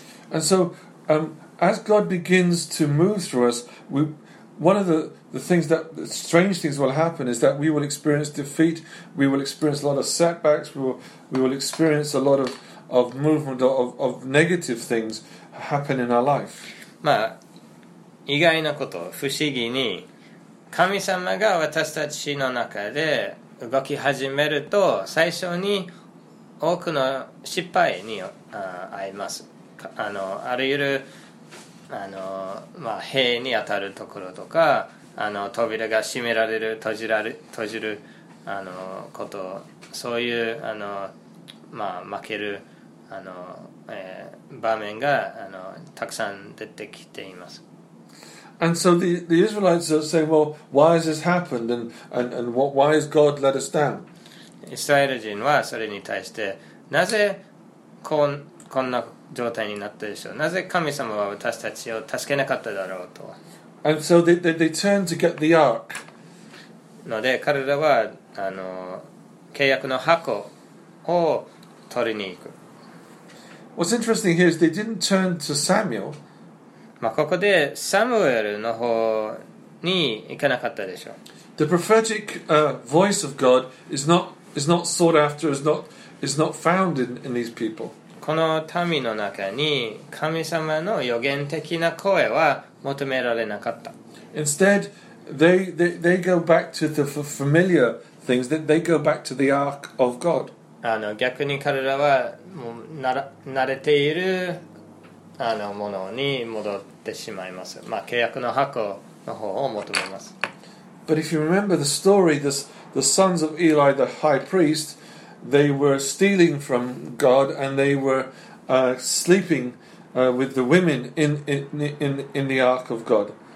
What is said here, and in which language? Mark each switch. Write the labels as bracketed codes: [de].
[en] And so,as God begins to move through us, one of the things that the strange things will happen is that we will experience defeat, we will experience a lot of setbacks, we will experience a lot of movement of negative things happen in our life. [ja] まあ、意外なこと、不思議に神様が私たちの中で動き始めると、最初に多くの失敗に遭います。あの、あるゆる、あの、まあ、塀に当たるところとか、あの、扉が閉められる、閉じる、あの、こと、そういう、あの、まあ、負ける、あの、場面が、あの、たくさん出てきています。 [en] And so the Israelites are saying, well, why has this happened? And what, why has God let us down? [ja] イスラエル人はそれに対して、なぜこんな状態になったでしょう。なぜ神様は私たちを助けなかっただろうと。 [en] And so they turn to get the ark. [ja] ので彼らはあの契約の箱を取りに行く。 [en] What's interesting here is they didn't turn to Samuel. [ja] まあここでサムエルの方に行かなかったでしょう。 [en] The prophetic voice of God is not sought after, is not found in these people. [ja] この民の中に神様の予言的な声は求められなかった。 [en] Instead, they go back to the familiar things. They go back to the ark of God. [ja] あの逆に彼らはもう慣れているあのものに戻ってしまいます。まあ契約の箱の方を求めます。 [en] But if you remember the story, the sons of Eli, the high priest. They were stealing from God and they were sleeping with the women in the ark of God.